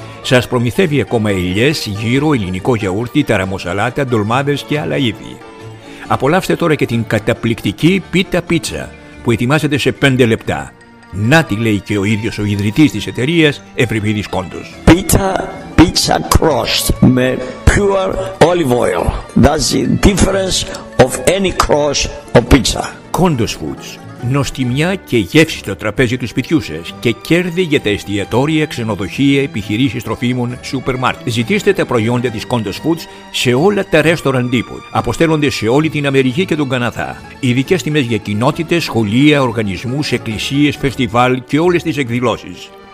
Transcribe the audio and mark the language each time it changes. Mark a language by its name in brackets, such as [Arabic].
[Greek] σας προμηθεύει ακόμα ελιές, γύρο, ελληνικό γιαούρτι, ταραμοσαλάτα, ντολμάδες και άλλα είδη. Απολαύστε τώρα και την καταπληκτική πίτα πίτσα που ετοιμάζεται σε 5 λεπτά. Να τη λέει και ο ίδιος ο ιδρυτής της εταιρείας, Ευρυπίδης Κόντος. Πίτα πίτσα crust με [English] pure olive oil. That's the difference of any crust or pizza. [Greek] Κόντος Foods. Νοστιμιά και γεύση στο τραπέζι του σπιτιού σας και κέρδη για τα εστιατόρια, ξενοδοχεία, επιχειρήσεις τροφίμων, σούπερ μάρκετ. Ζητήστε τα προϊόντα της Contest Foods σε όλα τα restaurant τύπου. Αποστέλλονται σε όλη την Αμερική και τον Καναδά. Ειδικές τιμές για κοινότητες, σχολεία, οργανισμούς, εκκλησίες, φεστιβάλ και όλες τις εκδηλώσεις.